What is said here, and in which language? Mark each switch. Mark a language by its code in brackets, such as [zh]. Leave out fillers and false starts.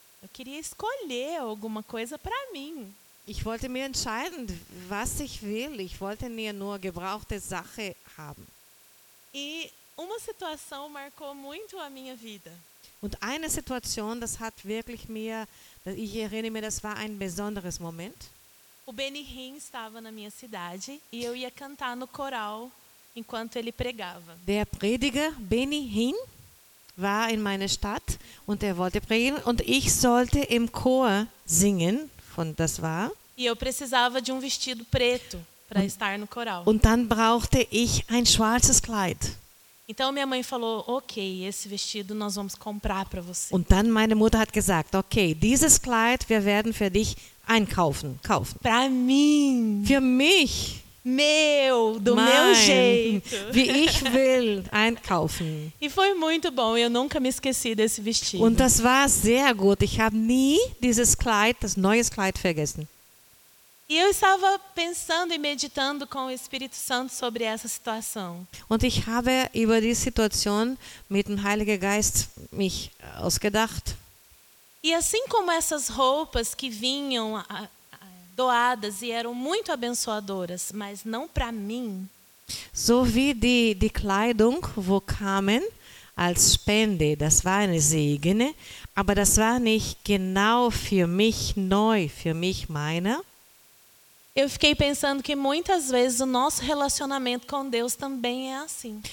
[pt] Eu queria escolher alguma coisa para mim. [de] Ich wollte mir entscheiden, was ich will. Ich wollte nur gebrauchte Sachen haben. [pt] E uma situação marcou muito a minha vida. [de] Und eine Situation, das hat wirklich mir, ich erinnere mich, das war ein besonderes Moment. [pt] O Benny Hinn estava na minha cidade e eu ia cantar no coral enquanto ele pregava. [de] Der Prediger Benny Hinn war in meiner Stadt und er wollte predigen und ich sollte im Chor singen, von das war. [pt] E eu precisava de um vestido preto para estar no coral. [de] Und dann brauchte ich ein schwarzes Kleid. [pt] Então minha mãe falou: "OK, esse vestido nós vamos comprar para você." [de] Und dann meine Mutter hat gesagt: "Okay, dieses Kleid wir werden für dich einkaufen, kaufen." [pt] Para mim. [de] Für mich. [pt] Meu, do meu jeito. [de] Wie ich will einkaufen. [pt] E foi muito bom, eu nunca me esqueci desse vestido. [de] Und das war sehr gut. Ich habe nie dieses Kleid, das neue Kleid vergessen. [pt] E eu estava pensando e meditando com o Espírito Santo sobre essa situação. [de] Und ich habe über die Situation mit dem Heiligen Geist mich ausgedacht. [pt] E assim como essas roupas que vinham doadas e eram muito abençoadoras, mas não para mim. [de] So wie die Kleidung, wo kamen als Spende, das war eine Segen, aber das war nicht genau für mich neu, für mich meine. [pt] Eu fiquei pensando que muitas vezes o nosso relacionamento com Deus também é assim.